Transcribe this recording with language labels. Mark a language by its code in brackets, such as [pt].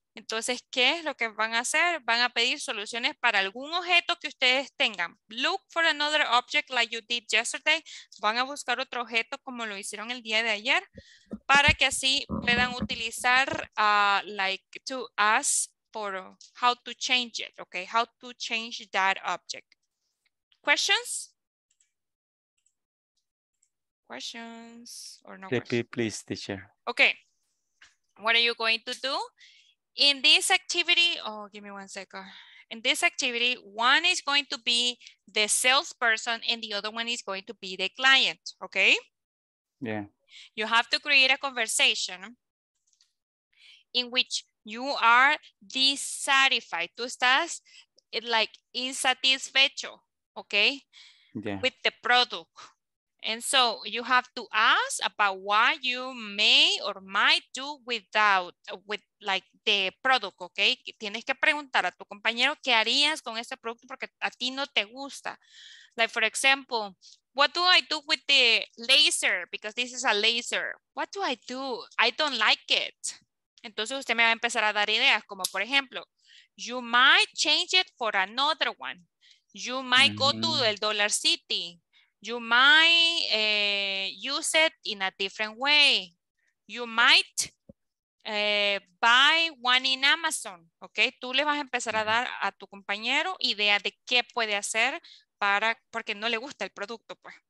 [es] Entonces, ¿qué es lo que van a hacer? Van a pedir soluciones para algún objeto que ustedes tengan. [en] Look for another object like you did yesterday. [es] Van a buscar otro objeto como lo hicieron el día de ayer para que así puedan utilizar [en] like to ask for how to change it, [es] okay? [en] How to change that object. Questions? Questions or no questions? Please, teacher. Okay. What are you going to do? In this activity, oh, give me 1 second. In this activity, one is going to be the salesperson and the other one is going to be the client, okay? Yeah. You have to create a conversation in which you are dissatisfied. [es] Tú estás like insatisfecho, okay? [en] Yeah. With the product. And so you have to ask about what you may or might do without, with like the product, okay? [es] Tienes que preguntar a tu compañero qué harías con ese producto porque a ti no te gusta. [en] Like for example, what do I do with the laser? Because this is a laser. What do I do? I don't like it. [es] Entonces usted me va a empezar a dar ideas como por ejemplo, [en] you might change it for another one. You might go to el Dollar City. You might use it in a different way. You might buy one in Amazon, okay? [es] Tú le vas a empezar a dar a tu compañero idea de qué puede hacer para, porque no le gusta el producto, pues.